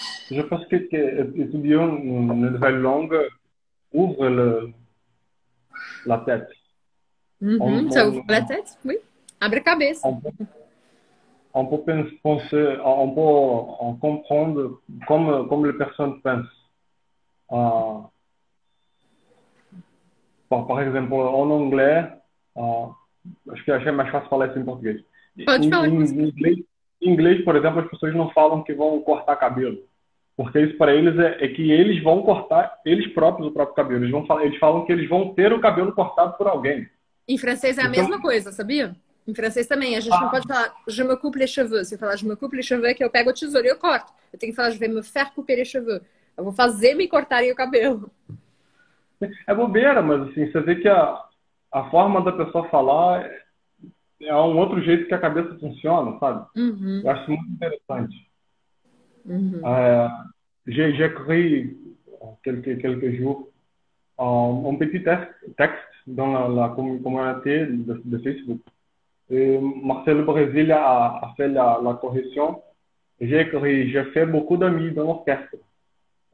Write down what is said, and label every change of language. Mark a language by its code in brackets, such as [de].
[fr] Je pense que étudier une nouvelle langue ouvre la tête. Ça ouvre la tête, oui. [pt] Abre a cabeça. [fr] On peut comprendre comme les personnes pensent. Par exemple, en anglais, [pt] acho que achei mais fácil falar isso em português. Pode falar em inglês. Em inglês, por exemplo, as pessoas não falam que vão cortar cabelo. Porque isso para eles é que eles vão cortar eles próprios o próprio cabelo. Eles falam que eles vão ter o cabelo cortado por alguém. Em francês é a mesma coisa, sabia? Em francês também. A gente não pode falar [fr] je me coupe les cheveux. [pt] Se eu falar [fr] je me coupe les cheveux, [pt] é que eu pego a tesoura e eu corto. Eu tenho que falar [fr] je vais me faire couper les cheveux. [pt] Eu vou fazer me cortarem o cabelo. É bobeira, mas assim, você vê que a forma da pessoa falar é um outro jeito que a cabeça funciona, sabe? Uhum. Eu acho muito interessante. Uhum. [fr] J'ai écrit quelques jours un petit texte dans la communauté de Facebook. Et Marcel Brésil a fait la correction. J'ai écrit « J'ai fait beaucoup d'amis dans l'orchestre ».